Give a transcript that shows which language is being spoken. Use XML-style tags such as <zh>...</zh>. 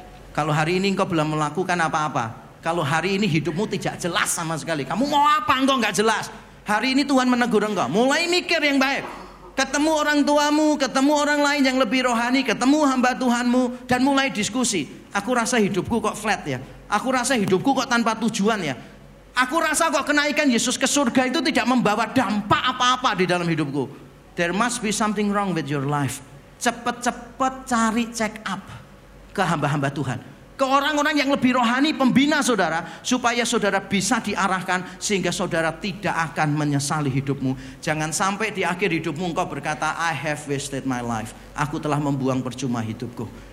<id>Kalau hari ini engkau belum melakukan apa-apa, kalau hari ini hidupmu tidak jelas sama sekali, kamu mau apa engkau gak jelas, hari ini Tuhan menegur engkau, mulai mikir yang baik. Ketemu orang tuamu, ketemu orang lain yang lebih rohani, ketemu hamba Tuhanmu, dan mulai diskusi. Aku rasa hidupku kok flat ya, aku rasa hidupku kok tanpa tujuan ya, aku rasa kok kenaikan Yesus ke surga itu tidak membawa dampak apa-apa di dalam hidupku.</id> <en>There must be something wrong with your life.</en> <id>Cepat-cepat cari check up ke hamba-hamba Tuhan, ke orang-orang yang lebih rohani, pembina saudara, supaya saudara bisa diarahkan sehingga saudara tidak akan menyesali hidupmu. Jangan sampai di akhir hidupmu engkau berkata,</id> <en>I have wasted my life.</en> <id>Aku telah membuang percuma hidupku.</id>